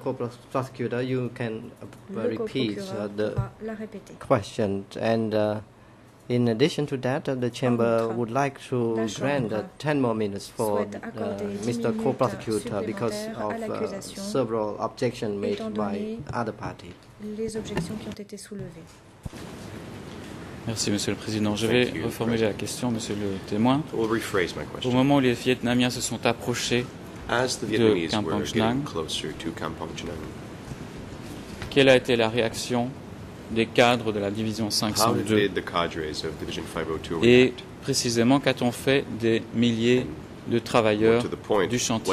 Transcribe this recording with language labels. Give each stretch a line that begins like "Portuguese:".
English: Co-Prosecutor, you can repeat the question. And in addition to that, the Chamber would like to grant 10 more minutes for Mr. Co-Prosecutor because of several objections made by other parties.
French: Les objections qui ont été soulevées. Merci, Monsieur le Président. Je vais reformuler la question, Monsieur le Témoin.
English: We'll rephrase my question.
French: Au moment où les Vietnamiens se sont approchés
English: as the Vietnamese were getting closer to Kampong Chenang,
French: quelle a été la réaction des cadres de la division 502?
English: How did the cadres of Division 502 react?
French: Et précisément, qu'a-t-on fait des milliers de travailleurs du chantier?